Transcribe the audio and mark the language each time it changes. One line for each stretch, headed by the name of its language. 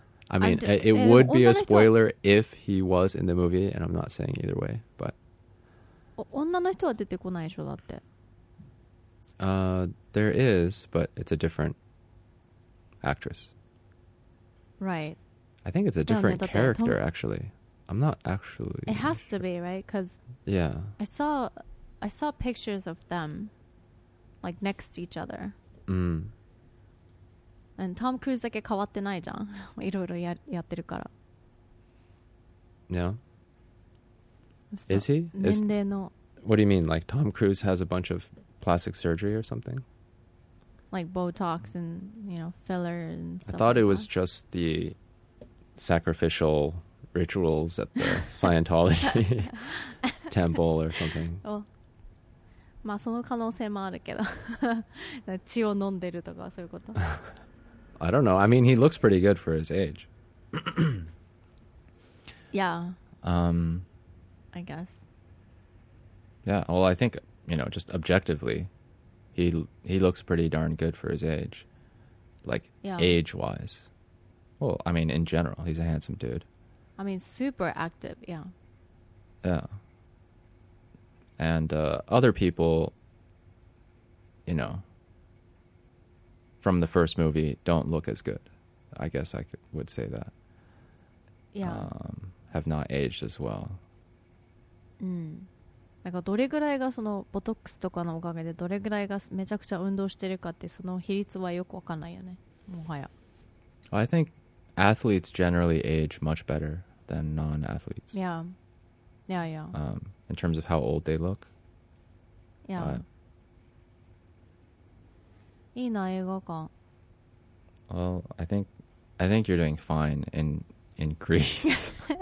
English: I mean, it would be a spoiler if he was in the movie, and I'm not saying either way, but...
Japanese: 女の人は出てこないでしょ、だって。
English: There is, but it's a different actress. Right. I think it's a different character, actually. I'm not actually... It has to be, right? Because... Yeah. I saw pictures of them, like, next to each other. Mm.
Japanese: And Tom Cruise だけ変わってないじゃん。いろいろやってるから。
English: Yeah. Is he? What do you mean? Like, Tom Cruise has a bunch of plastic surgery or something? Like, Botox and, you know, filler and stuff. I thought like it that. Was just the sacrificial rituals at the Scientology temple or something.
Japanese: まあその可能性もあるけど血を飲んでるとかそういうこと
English: I don't know. I mean, he looks pretty good for his age. Yeah. I guess. Yeah, well, I think, you know, just objectively, he looks pretty darn good for his age. Like, yeah. Age-wise. Well, I mean, in general, he's a handsome dude. I mean, super active, yeah. Yeah. And other people, you know, from the first movie don't look as good. I guess I would say that. Yeah. Have not aged as well. Mm.
Japanese: なんかどれぐらいがそのボトックスとかのおかげでどれぐらいがめちゃくちゃ運動してるかってその比率はよくわかんないよね。もはや。
English: I think athletes generally age much better than non-athletes. Yeah. Yeah, yeah. In terms of how old they look. Yeah.
Japanese: いいな映画館。
English: Well, I think you're doing fine in Greece.